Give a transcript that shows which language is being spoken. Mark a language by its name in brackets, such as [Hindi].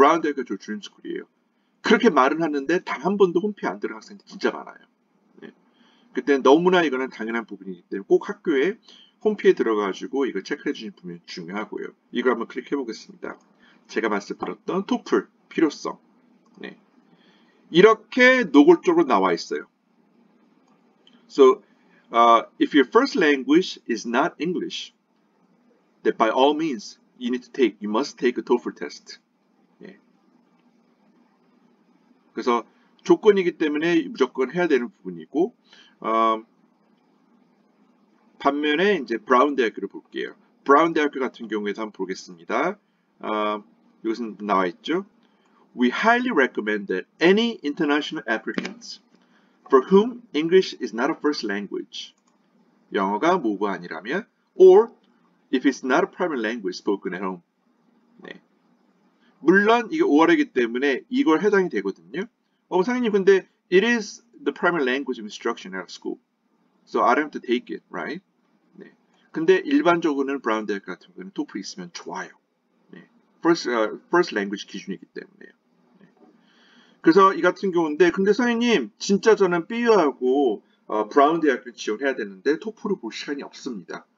[Korean] 브라운 대학교 저 드림스쿨이에요. 그렇게 말은 하는데 단 한 번도 홈페이지 안 들어간 학생들 진짜 많아요. 네. 그때 너무나 이거는 당연한 부분이기 때문에 꼭 학교에 홈페이지에 들어가가지고 이걸 체크해 주신 부분이 중요하고요. 이걸 한번 클릭해 보겠습니다. 제가 말씀드렸던 토플 필요성. 네. 이렇게 노골적으로 나와 있어요. [English] So, if your first language is not English, then by all means, you must take a TOEFL test. [Korean] 네. 그래서 조건이기 때문에 무조건 해야 되는 부분이고, 반면에 이제 브라운 대학교를 볼게요. 브라운 대학교 같은 경우에도 한번 보겠습니다. 이것은 나와 있죠. [English] We highly recommend that any international applicants for whom English is not a first language, [Korean] 영어가 모국어 아니라면, [English] or if it's not a primary language spoken at home. [Korean] 네. 물론 이게 5월이기 때문에 이걸 해당이 되거든요. 선생님 근데 [English] it is the primary language of instruction at school, so I don't have to take it, right? [Korean] 네. 근데 일반적으로는 브라운 대학 같은 경우는 토플 있으면 좋아요. 네. First language 기준이기 때문에요. 네. 그래서 이 같은 경우인데, 근데 선생님 진짜 저는 BU하고 브라운 대학교 지원해야 되는데 토플을 볼 시간이 없습니다.